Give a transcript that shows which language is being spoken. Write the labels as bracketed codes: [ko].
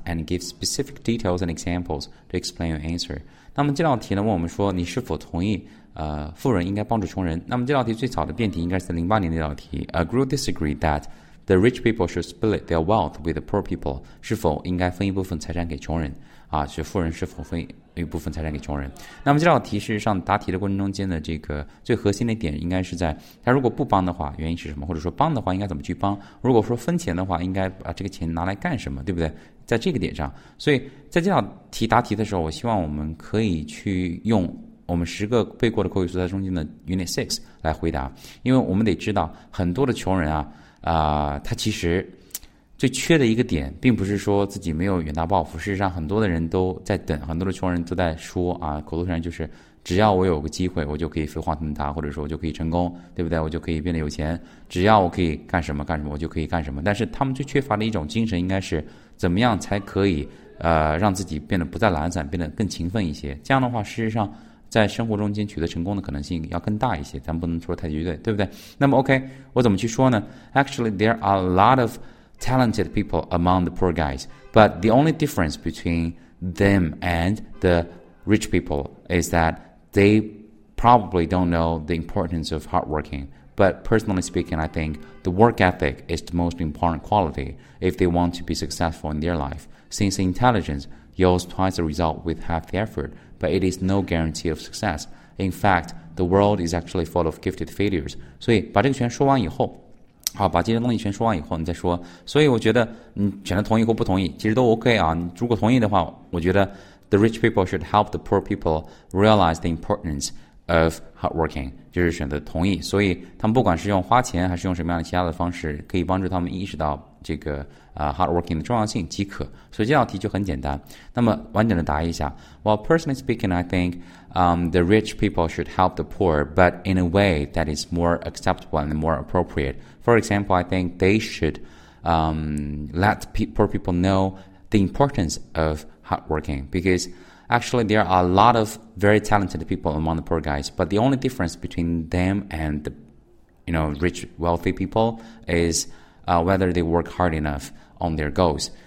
[en] And give specific details and examples to explain your answer. [zh] 那么这道题呢问我们说你是否同意富人应该帮助穷人。那么这道题最早的辩题应该是在08年那道题。 [en] A group disagreed that the rich people should split their wealth with the poor people. [zh] 是否应该分一部分财产给穷人啊，是富人是否分一部分财产给穷人。那么这道题事实上答题的过程中间的这个最核心的点应该是在他如果不帮的话原因是什么，或者说帮的话应该怎么去帮，如果说分钱的话应该把这个钱拿来干什么，对不对，在这个点上。所以在这道题答题的时候我希望我们可以去用我们十个背过的口语素材中间的 Unit 6来回答，因为我们得知道很多的穷人啊，他其实最缺的一个点并不是说自己没有远大抱负，事实上很多的人都在等，很多的穷人都在说啊，口头上就是只要我有个机会我就可以飞黄腾达，或者说我就可以成功，对不对，我就可以变得有钱，只要我可以干什么干什么我就可以干什么。但是他们最缺乏的一种精神应该是怎么样才可以让自己变得不再懒散，变得更勤奋一些，这样的话事实上在生活中间取得成功的可能性要更大一些，咱们不能说太绝对，对不对。 [en] 那么 OK 我怎么去说呢， Actually there are a lot ofTalented people among the poor guys, but the only difference between them and the rich people is that they probably don't know the importance of hard working. But personally speaking, I think the work ethic is the most important quality if they want to be successful in their life. Since intelligence yields twice the result with half the effort, but it is no guarantee of success. In fact, the world is actually full of gifted failures. [zh] 所以把这个全说完以后好，把这些东西全说完以后你再说。所以我觉得你选择同意或不同意其实都 OK 啊，如果同意的话我觉得 The rich people should help the poor people realize the importance of hard working，就是选择同意。所以他们不管是用花钱还是用什么样的其他的方式可以帮助他们意识到这个hard working 的重要性即可。所以这道题就很简单，那么完整的答一下。 [en] Well personally speaking I think the rich people should help the poor but in a way that is more acceptable and more appropriate. For example, I think they should let poor people know the importance of hard working becauseActually, there are a lot of very talented people among the poor guys, but the only difference between them and the, you know, rich, wealthy people is whether they work hard enough on their goals.